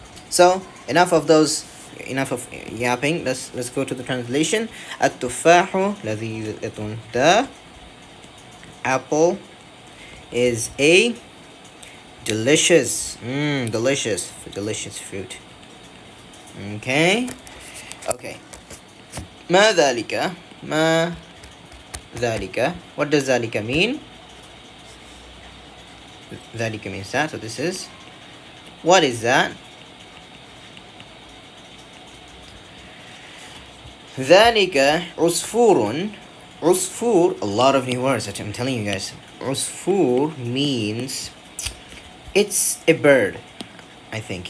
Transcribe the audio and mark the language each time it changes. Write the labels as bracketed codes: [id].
[en] So enough of yapping. Let's go to the translation. [ar] التفاح لذيذة. [en] The apple is a delicious, delicious fruit. Okay. [ar] ما ذلك؟ ما ذلك؟ [en] What does [ar] ذلك mean? [en] ذلك means that. So this is. What is that? [ar] ذلك عصفور [en] Usfur, a lot of new words, I'm telling you guys. Usfur means it's a bird, I think.